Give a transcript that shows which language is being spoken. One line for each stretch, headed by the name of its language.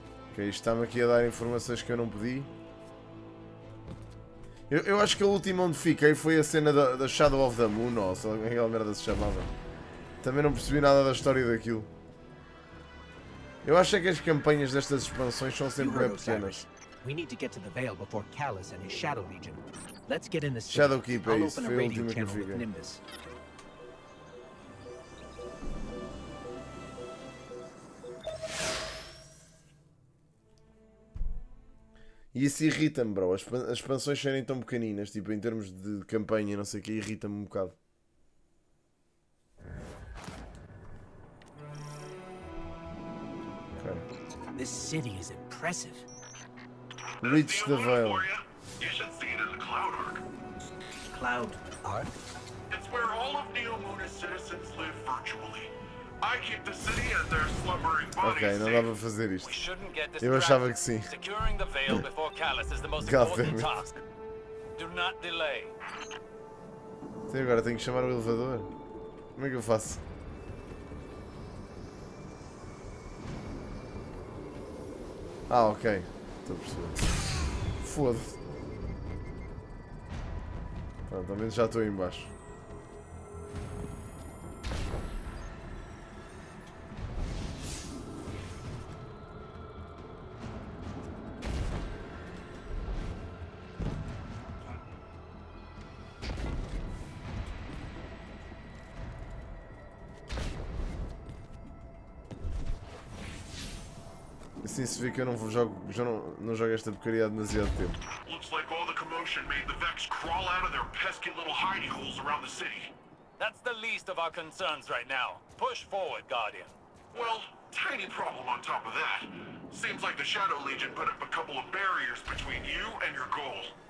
Portuguese: Ok, isto está-me aqui a dar informações que eu não pedi. Eu acho que a última onde fiquei foi a cena da Shadow of the Moon, ou se aquela merda se chamava. Também não percebi nada da história daquilo. Eu acho que as campanhas destas expansões são sempre bem pequenas.
English: We need to get to the Vale before Kallus and his Shadow Legion. Let's get in the city. Shadow Keep,
Portuguese: é isso. Foi a última que eu fiquei. E isso irrita-me, bro. As expansões serem tão pequeninas, tipo, em termos de campanha, não sei o que, irrita-me um bocado.
English: This city is impressive. Reach the Vale. You should see it in the Cloud Arc. Cloud Arc? It's where all of Neomona's citizens live virtually. I keep the city and their slumbering bodies.
Portuguese: Okay, não dava para fazer isto. Eu achava que sim.
English: Securing the Vale before Kallus is the most important task. Do not delay.
Portuguese: Até agora tenho que chamar o elevador. Como é que eu faço? Ah, ok. Estou a perceber. Foda-se. Pronto, ao menos já estou aí embaixo. Assim se vê que eu não jogo, já não jogo esta porcaria há demasiado tempo.
English: Looks like all the commotion made the Vex crawl out of their pesky little hidey holes around the city. That's the least of our concerns right now. Push forward, Guardian. Well, tiny problem on top of that. Seems like the Shadow Legion put up a couple of barriers between you and your goal.